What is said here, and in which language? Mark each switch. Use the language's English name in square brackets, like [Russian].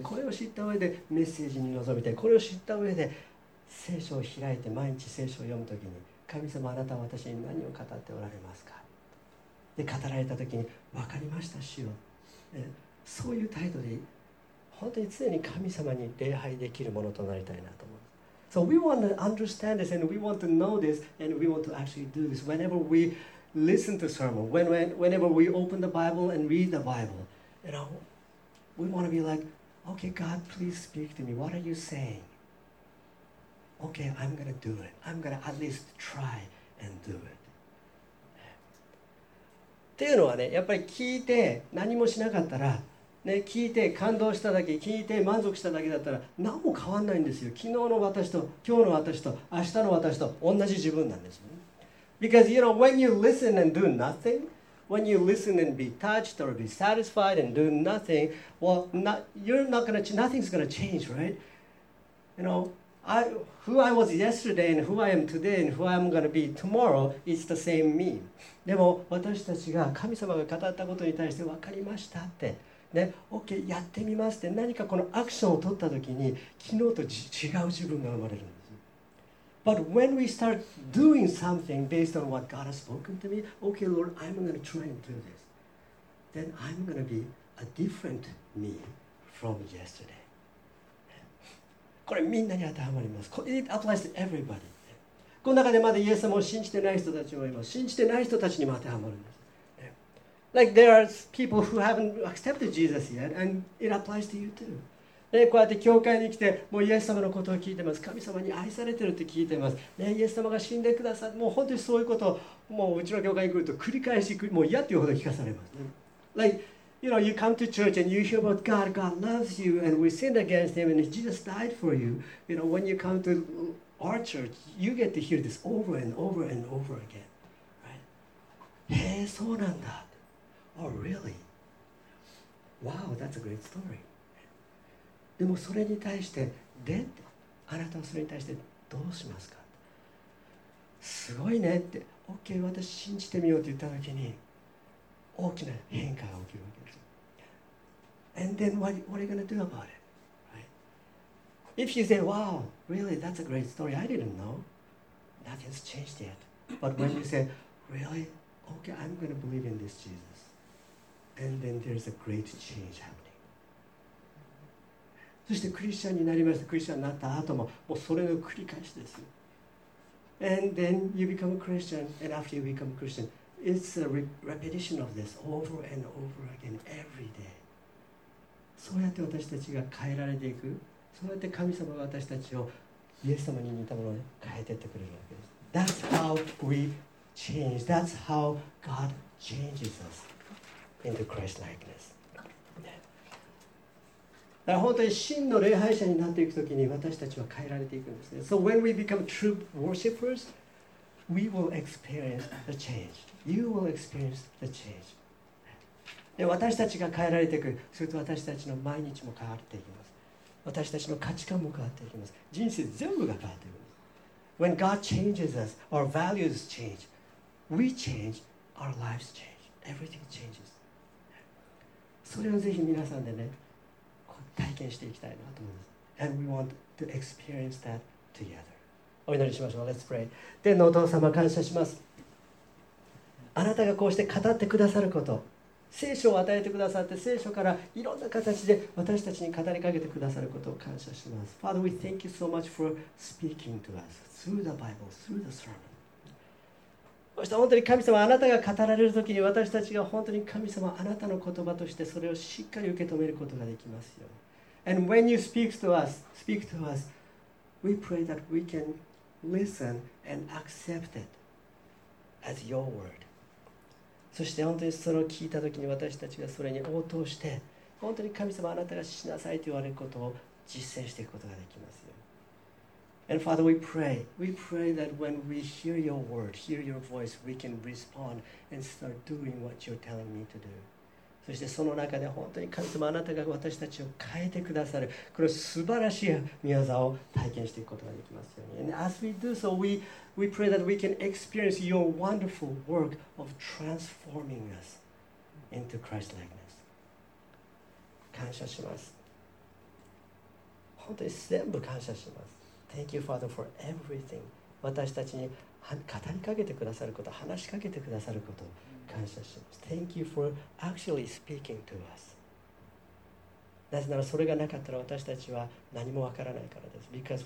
[Japanese] これを知った上でメッセージに臨みたい。これを知った上で聖書を開いて毎日聖書を読むときに、神様あなたは私に何を語っておられますか。で語られたときに分かりました主よ。そういう態度で本当に常に神様に礼拝できるものとなりたいなと思う。 [English] So we want to understand this and we want to know this and we want to actually do this. Whenever we listen to sermon, whenever we open the Bible and read the Bible, you know, we want to be like, okay, God, please speak to me. What are you saying? Okay, I'm gonna do it. I'm gonna at least try and do it. [Japanese] っていうのはね、やっぱり聞いて何もしなかったら、ね、聞いて感動しただけ、聞いて満足しただけだったら何も変わんないんですよ。昨日の私と今日の私と明日の私と同じ自分なんですよ、ね、 [English] Because you know, when you listen and do nothing, when you listen and be touched or be satisfied and do nothing, well, nothing's gonna change, right? You know, who I was yesterday and who I am today and who I'm gonna be tomorrow is the same me. [Japanese] でも私たちが神様が語ったことに対して分かりましたってね、 [English] OK、やってみます [Japanese] って何かこのアクションを取った時に昨日と違う自分が生まれるんです。 [English] But when we start doing something based on what God has spoken to me, OK, Lord, I'm gonna try and do this. Then I'm gonna be a different me from yesterday. [Japanese] これみんなに当てはまります。 [English] It applies to everybody. [Japanese] この中でまだイエス様を信じてない人たちもいます。信じてない人たちにも当てはまるんです。 [English] Like there are people who haven't accepted Jesus yet, and it applies to you too. [Japanese] ね、こうやって教会に来て、もうイエス様のことを聞いてます。神様に愛されてるって聞いてます。ね、イエス様が死んでくださって、もう本当にそういうことを、もううちの教会に来ると繰り返し、もう嫌っていうほど聞かされます。 [English] Like, you know, you come to church and you hear about God, God loves you, and we sinned against him, and Jesus died for you. You know, when you come to our church, you get to hear this over and over and over again. Right? [Japanese] へえ、そうなんだ。 [English] Oh, really? Wow, that's a great story. [Japanese] でもそれに対して、で、あなたはそれに対してどうしますか？すごいねって、 [English] OK、 [Japanese] 私信じてみようって言ったときに、大きな変化が起きるわけです。 [English] And then what are you going to do about it?、Right? If you say, wow, really, that's a great story, I didn't know. Nothing's changed yet. But when you say, really, OK, I'm going to believe in this Jesus. And then there's a great change happening. [Japanese] そしてクリスチャンになりました。クリスチャンになった後も、もうそれの繰り返しです。 [English] And then you become a Christian, and after you become a Christian, it's a repetition of this over and over again every day. [Japanese] そうやって私たちが変えられていく、そうやって神様が私たちをイエス様に似たものに変えていってくれるわけです。 [English] That's how we change. That's how God changes us. Into Christ-likeness. [Japanese] だから本当に真の礼拝者になっていくときに私たちは変えられていくんですね。 [English] So when we become true worshippers, we will experience the change. You will experience the change. [Japanese] で私たちが変えられていく、すると私たちの毎日も変わっていきます。私たちの価値観も変わっていきます。人生全部が変わっていきます。 [English] When God changes us, our values change. We change, our lives change. Everything changes. [Japanese] それをぜひ皆さんでね、体験していきたいなと思います。 [English] And we want to experience that together. [Japanese] お祈りしましょう。 [English] Let's pray. [Japanese] 天のお父様、感謝します。あなたがこうして語ってくださること、聖書を与えてくださって、聖書からいろんな形で私たちに語りかけてくださることを感謝します。 [English] Father, we thank you so much for speaking to us through the Bible, through the sermon. [Japanese] そして本当に神様あなたが語られるときに私たちが本当に神様あなたの言葉としてそれをしっかり受け止めることができますよ。 [English] And when you speak to us, we pray that we can listen and accept it as your word. [Japanese] そして本当にそれを聞いたときに私たちがそれに応答して本当に神様あなたがしなさいと言われることを実践していくことができますよ。 [English] And Father, we pray that when we hear your word, hear your voice, we can respond and start doing what you're telling me to do. [Japanese] そしてその中で本当に神様あなたが私たちを変えてくださる、この素晴らしい御業を体験していくことができますように。 [English] And as we do so, we pray that we can experience your wonderful work of transforming us into Christ-likeness. [Japanese] 感謝します。本当に全部感謝します。 [English] Thank you, Father, for everything. [Japanese] 私たちに語りかけてくださること、話しかけてくださること、感謝します。 [English] Thank you for actually speaking to us. [Japanese] なぜならそれがなかったら私たちは何もわからないからです。